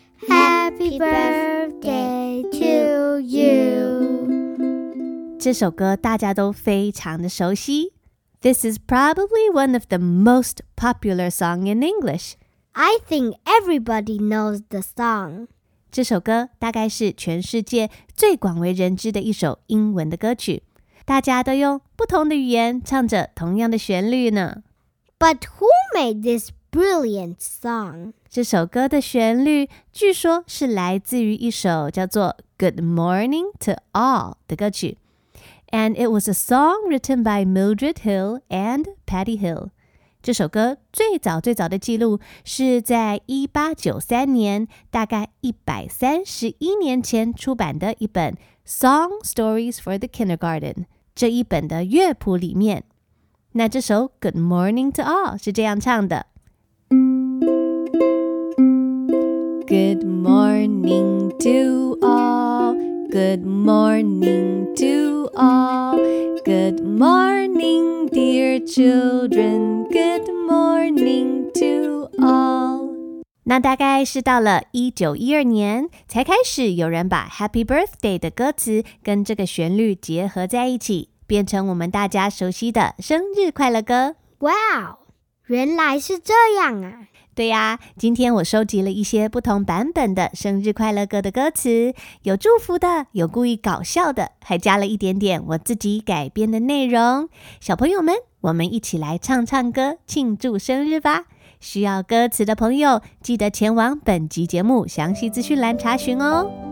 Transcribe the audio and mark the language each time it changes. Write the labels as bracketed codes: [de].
[en] Happy birthday to you. [zh] 这首歌大家都非常的熟悉。 [en] This is probably one of the most popular song in English. I think everybody knows the song. [zh] 这首歌大概是全世界最广为人知的一首英文的歌曲。大家都用不同的语言唱着同样的旋律呢。 [en] But who made this brilliant song? [zh] 这首歌的旋律据说是来自于一首叫做 Good Morning to All 的歌曲。 [en] And it was a song written by Mildred Hill and Patty Hill. [zh] 这首歌最早最早的记录是在1893年，大概131年前出版的一本Song Stories for the Kindergarten 这一本的乐谱里面，那这首 Good Morning to All 是这样唱的 [en] Good morning to all Good morning to all Good morning dear children Good morning to all [zh] 那大概是到了1912年才开始有人把 Happy Birthday 的歌词跟这个旋律结合在一起变成我们大家熟悉的生日快乐歌 Wow, 原来是这样啊对呀、今天我收集了一些不同版本的生日快乐歌的歌词有祝福的有故意搞笑的还加了一点点我自己改编的内容小朋友们我们一起来唱唱歌庆祝生日吧需要歌词的朋友，记得前往本集节目详细资讯栏查询哦。